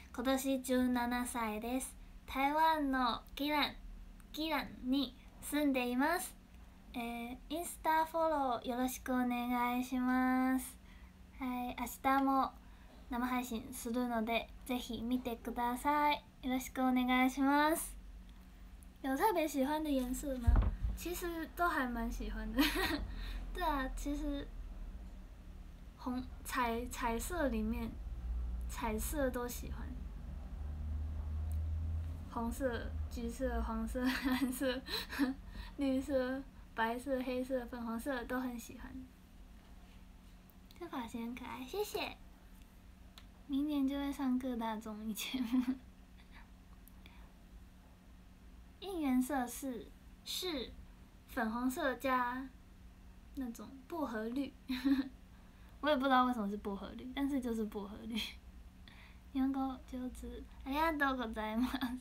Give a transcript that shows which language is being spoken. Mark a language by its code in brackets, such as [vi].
[ja] 今年17歳です。台湾のギランに住んでいます、インスタフォローよろしくお願いします。はい、明日も生配信するのでぜひ見てください。よろしくお願いします。 [zh] 有特别喜欢的颜色吗？其实都还蛮喜欢的。对啊，其实红 彩色里面彩色都喜欢，红色、橘色、黄色、蓝色、绿色、白色、黑色、粉红色都很喜欢。这发型很可爱，谢谢。明年就会上各大综艺节目。应援色是粉红色加那种薄荷绿。我也不知道为什么是薄荷绿，但是就是薄荷绿。用过就知， [ja] ありがとうございます。